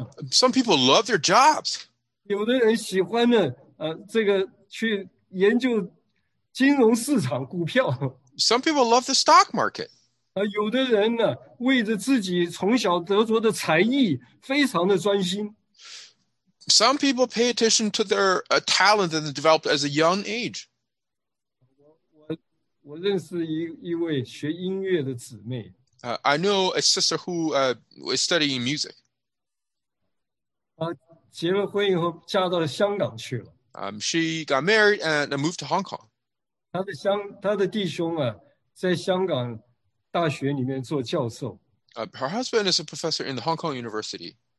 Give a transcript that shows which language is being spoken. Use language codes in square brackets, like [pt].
[en] Some people love their jobs. [zh] 有的人喜欢呢, 这个去研究金融市场股票。 [en] Some people love the stock market. [zh] 有的人呢，为着自己从小得着的才艺，非常的专心。 [en] Some people pay attention to their talent that they developed as a young age. [zh] 我认识一位学音乐的姊妹。 [en] I know a sister who was studying music. [zh] 结了婚以后嫁到了香港去了。 [en] She got married and moved to Hong Kong. [zh] 她的弟兄啊，在香港大学里面做教授。 [en] Her husband is a professor in the Hong Kong University.